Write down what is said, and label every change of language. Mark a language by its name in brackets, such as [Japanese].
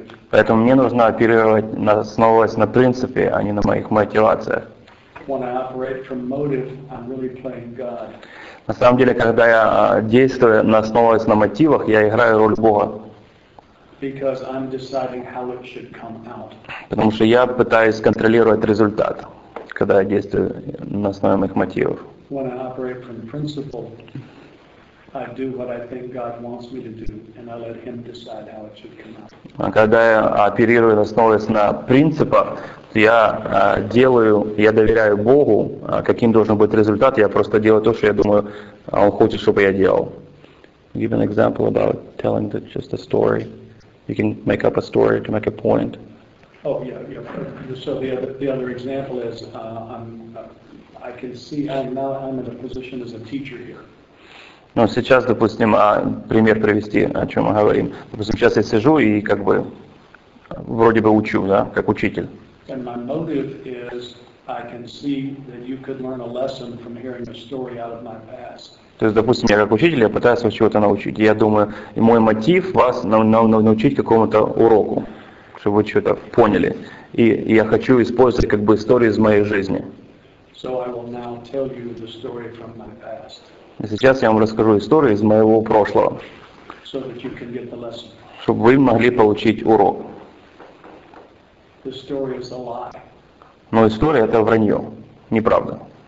[Russian] Поэтому мне нужно оперировать, основываясь на принципе, а не на моих мотивациях. [English] When I operate from motive, I'm really playing God. [Russian] На самом деле, когда я действую, основываясь на мотивах, я играю роль Бога. [English] Because I'm deciding how it should come out. [Russian] Потому что я пытаюсь контролировать результат, когда я действую на основе моих мотивов. [English] When I operate from principle, I do what I think God wants me to do, and I let Him decide how it should come out. [Russian] А когда я оперирую, основываясь на принципах, я делаю, я доверяю Богу, каким должен быть результат, я просто делаю то, что я думаю, Он хочет, чтобы я делал. [English] Give an example about telling just a story. You can make up a story to make a point. Oh, yeah. So the other example is, I'm in a position as a teacher here. [Russian] Ну, сейчас, допустим, пример привести, о чем мы говорим. Допустим, сейчас я сижу и как бы вроде бы учу, да, как учитель. [English] And my motive is, I can see that you could learn a lesson from hearing a story out of my past. [Russian] То есть, допустим, я как учитель, я пытаюсь вас чего-то научить. Я думаю, и мой мотив вас научить какому-то уроку, чтобы вы что-то поняли. И я хочу использовать как бы истории из моей жизни. [English] So I will now tell you the story from my past. [Russian] И сейчас я вам расскажу историю из моего прошлого. [English] So that you can get the lesson. [Russian] Чтобы вы могли получить урок. [English] The story is a lie. [Russian] Но история это вранье, неправда.